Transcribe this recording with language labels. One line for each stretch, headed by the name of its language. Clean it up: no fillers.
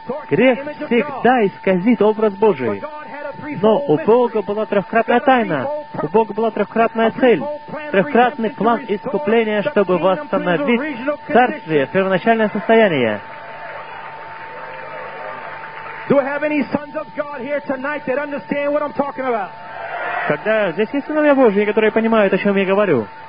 Russian: Грех всегда исказит образ Божий. Но у Бога была трехкратная тайна, у Бога была трехкратная цель, трехкратный план искупления, чтобы восстановить царствие, первоначальное состояние.
English: Do I have any sons of God here tonight that understand what I'm talking about?
Russian: Когда здесь есть сыновья Божьи, которые понимают, о чем я говорю?